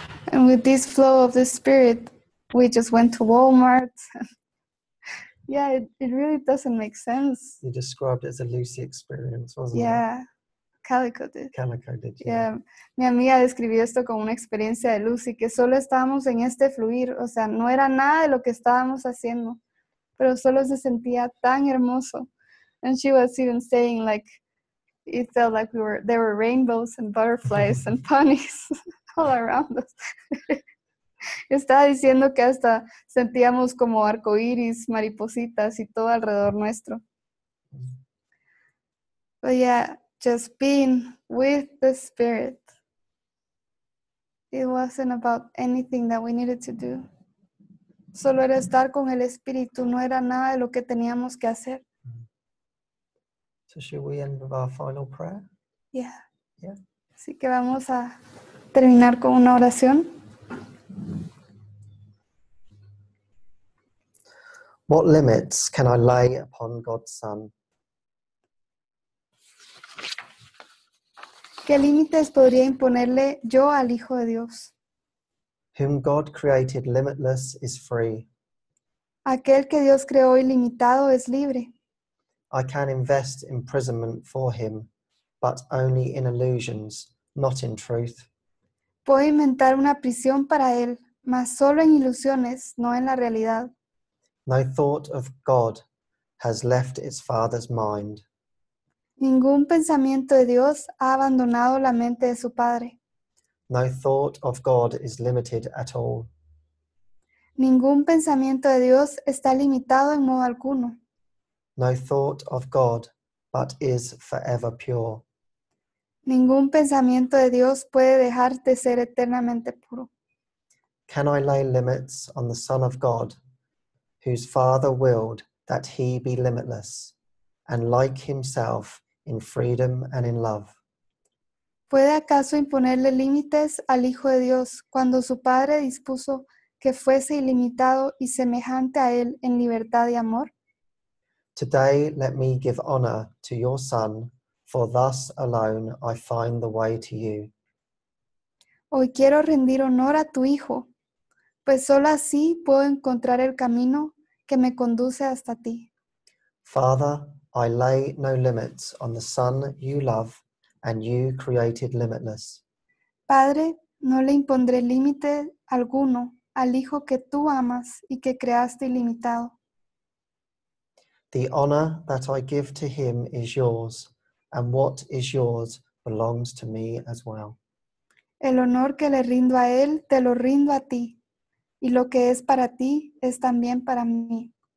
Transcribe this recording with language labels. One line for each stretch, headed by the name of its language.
English: And with this flow of the spirit, we just went to Walmart. Yeah, it really doesn't make sense. You described it as a Lucy experience, wasn't yeah. Yeah. Calico did. Calico did, yeah. Yeah.
Spanish: Mi amiga describió esto como una experiencia de Lucy, que solo estábamos en este fluir. O sea, no era nada de lo que estábamos haciendo, pero solo se sentía tan hermoso.
English: And she was even saying, like, it felt like we were there were rainbows and butterflies and ponies all around us.
Spanish: Estaba diciendo que hasta sentíamos como arcoíris, maripositas y todo alrededor nuestro.
English: But yeah, just being with the Spirit. It wasn't about anything that we needed to do.
Spanish: Solo era estar con el Espíritu, no era nada de lo que teníamos que hacer.
English: So should we end with our final prayer? Yeah. Yeah.
Spanish: Así que vamos a terminar con una oración.
English: What limits can I lay upon God's Son?
Spanish: ¿Qué límites podría imponerle yo al Hijo de Dios?
English: Whom God created limitless is free.
Spanish: Aquel que Dios creó ilimitado es libre.
English: I can invest imprisonment for him, but only in illusions, not in truth.
Spanish: Puedo inventar una prisión para él, mas solo en ilusiones, no en la realidad.
English: No thought of God has left its father's mind.
Spanish: Ningún pensamiento de Dios ha abandonado la mente de su padre.
English: No thought of God is limited at all.
Spanish: Ningún pensamiento de Dios está limitado en modo alguno.
English: No thought of God, but is forever pure.
Spanish: Ningún pensamiento de Dios puede dejar de ser eternamente puro.
English: Can I lay limits on the Son of God, whose Father willed that he be limitless, and like himself in freedom and in love?
Spanish: ¿Puede acaso imponerle límites al Hijo de Dios cuando su Padre dispuso que fuese ilimitado y semejante a él en libertad y amor?
English: Today let me give honor to your Son, for thus alone I find the way to you.
Spanish: Hoy quiero rendir honor a tu Hijo, pues solo así puedo encontrar el camino que me conduce hasta ti.
English: Father, I lay no limits on the Son you love and you created limitless.
Spanish: Padre, no le impondré límite alguno al Hijo que tú amas y que creaste ilimitado.
English: The honor that I give to him is yours, and what is yours belongs to me as well.
Spanish: El honor que le rindo a él, te lo rindo a ti, y lo que es para ti es también para mí.